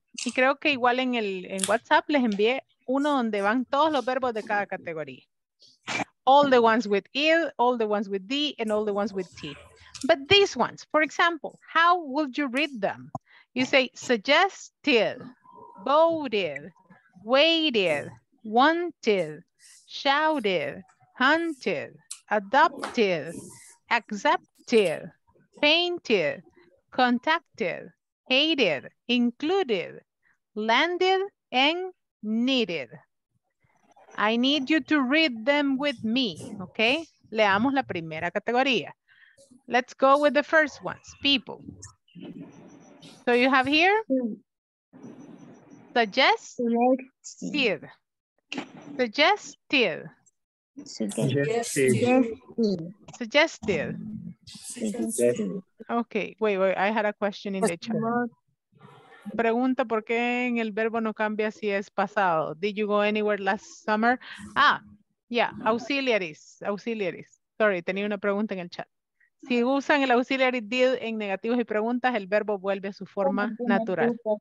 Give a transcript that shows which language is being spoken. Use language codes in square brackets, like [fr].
[es] Y creo que igual en el en WhatsApp les envié uno donde van todos los verbos de cada categoría. [en] All the ones with id, all the ones with d, and all the ones with t. But these ones, for example, how would you read them? You say suggested, voted, waited, wanted, shouted, hunted, adopted, accepted, painted, contacted, hated, included, landed, and needed. I need you to read them with me, okay? [es] Leamos la primera categoría. [en] Let's go with the first ones, people. So you have here, suggested. Suggested. Suggested. Suggested. Suggested. Okay, wait, I had a question in the chat. [es] Pregunta por qué en el verbo no cambia si es pasado. [en] Did you go anywhere last summer? Ah, yeah, auxiliaries. Auxiliaries. Sorry, [es] tenía una pregunta en el chat. Si usan el auxiliary did en negativos y preguntas, el verbo vuelve a su forma natural.